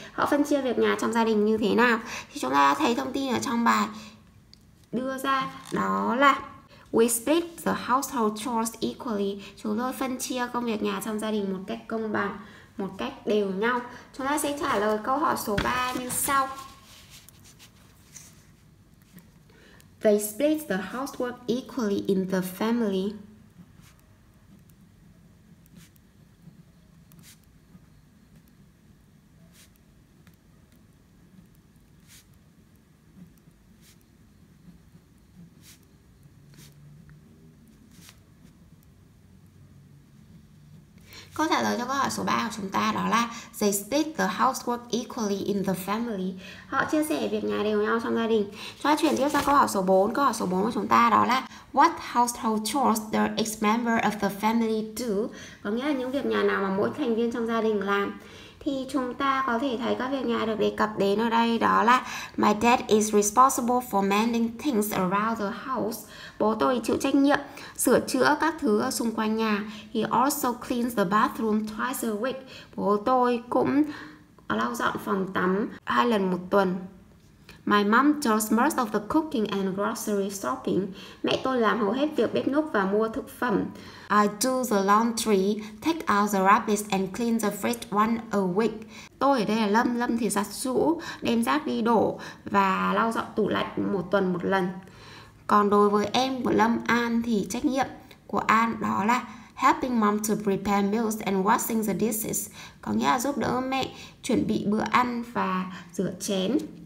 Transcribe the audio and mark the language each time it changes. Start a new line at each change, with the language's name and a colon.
Vietnamese: Họ phân chia việc nhà trong gia đình như thế nào? Thì chúng ta thấy thông tin ở trong bài đưa ra đó là
English: we split the household chores equally.
Vietnamese: Chúng tôi phân chia công việc nhà trong gia đình một cách công bằng, một cách đều nhau. Chúng ta sẽ trả lời câu hỏi số 3 như sau.
English: They split the housework equally in the family.
Vietnamese: Câu trả lời cho câu hỏi số 3 của chúng ta đó là
English: they split the housework equally in the family.
Vietnamese: Họ chia sẻ việc nhà đều nhau trong gia đình. Chúng ta chuyển tiếp sang câu hỏi số 4. Câu hỏi số 4 của chúng ta đó là
English: what household chores does each member of the family do?
Vietnamese: Có nghĩa là những việc nhà nào mà mỗi thành viên trong gia đình làm. Thì chúng ta có thể thấy các việc nhà được đề cập đến ở đây đó là
English: my dad is responsible for mending things around the house.
Vietnamese: Bố tôi chịu trách nhiệm sửa chữa các thứ ở xung quanh nhà.
English: He also cleans the bathroom twice a week.
Vietnamese: Bố tôi cũng lau dọn phòng tắm hai lần một tuần.
English: My mom does most of the cooking and grocery shopping.
Vietnamese: Mẹ tôi làm hầu hết việc bếp núc và mua thực phẩm.
English: I do the laundry, take out the rubbish and clean the fridge once a week.
Vietnamese: Tôi ở đây là Lâm, Lâm thì giặt giũ, đem rác đi đổ và lau dọn tủ lạnh một tuần một lần. Còn đối với em của Lâm, An thì trách nhiệm của An đó là
English: helping mom to prepare meals and washing the dishes.
Vietnamese: Có nghĩa là giúp đỡ mẹ chuẩn bị bữa ăn và rửa chén.